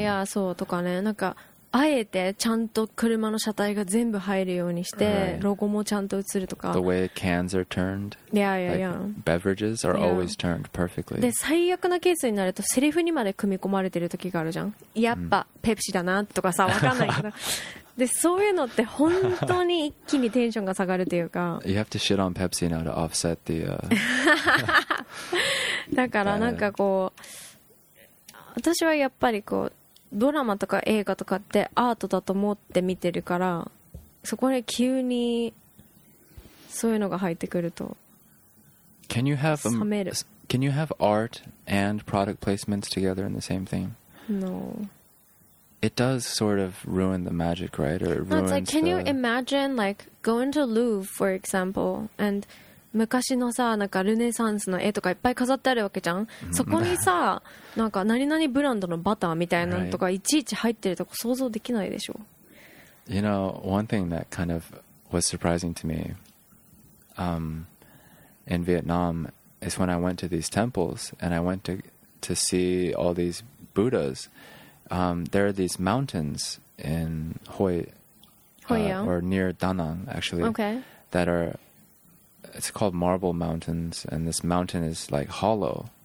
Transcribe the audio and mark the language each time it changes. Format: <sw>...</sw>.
<ja>いやそうとかね、なんかあえてちゃんと車の車体が全部入るようにして、ロゴもちゃんと映るとか、</ja> <en>the way cans are turned. Like beverages are always turned perfectly.</en> <ja>で、最悪なケースになるとセリフにまで組み込まれてる時があるじゃん。やっぱペプシだなとかさ、わかんないけど。でそういうのって本当に一気にテンションが下がるというか。</ja> <en>You have to shit on Pepsi now to offset the.</en> <ja>だからなんかこう、私はやっぱりこうドラマとか映画とかってアートだと思って見てるから、そこに急にそういうのが入ってくると。</ja> <en>Can you have art and product placements together in the same thing? No. It does sort of ruin the magic, right? Or it ruins the. No, it's like, can you imagine, like, going to Louvre, for example, and</en> <ja>昔のさ、なんかルネサンスの絵とかいっぱい飾ってあるわけじゃん。そこにさ、なんか何々ブランドのバターみたいなのとかいちいち入ってるとか想像できないでしょ。</ja> <en>You know, one thing that kind of was surprising to me, in Vietnam is when I went to these temples and I went to see all these Buddhas. There are these mountains in Hoi An, or near Da Nang, actually, that are, it's called marble mountains, and this mountain is like hollow.</en>